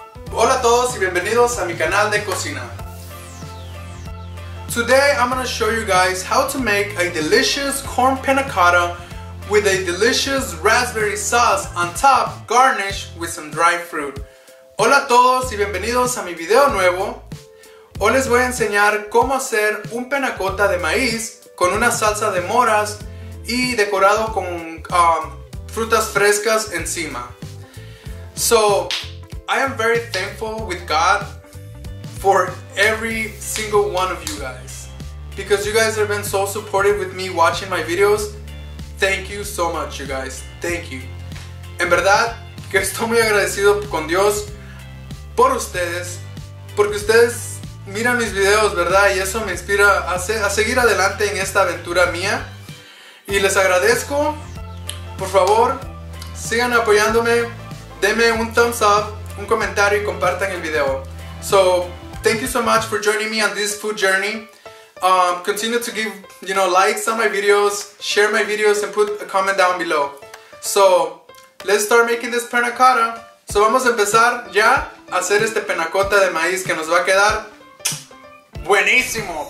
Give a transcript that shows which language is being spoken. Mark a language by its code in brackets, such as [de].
[es] Hola a todos y bienvenidos a mi canal de cocina. [en] Today I'm gonna show you guys how to make a delicious corn panna cotta with a delicious raspberry sauce on top, garnished with some dry fruit. [es] Hola a todos y bienvenidos a mi video nuevo. Hoy les voy a enseñar cómo hacer un panna cotta de maíz con una salsa de moras y decorado con frutas frescas encima. [en] So, I am very thankful with God for every single one of you guys. Because you guys have been so supportive with me watching my videos. Thank you so much, you guys. Thank you. [es] En verdad, que estoy muy agradecido con Dios por ustedes, porque ustedes miran mis videos, ¿verdad? Y eso me inspira a seguir adelante en esta aventura mía. Y les agradezco. Por favor, sigan apoyándome. Denme un [en] thumbs up, [es] un comentario y compartan el video. [en] So, thank you so much for joining me on this food journey. Continue to give, you know, likes on my videos, share my videos and put a comment down below. So, let's start making this panna cotta. [es] So, vamos a empezar ya a hacer este panna cotta de maíz que nos va a quedar buenísimo.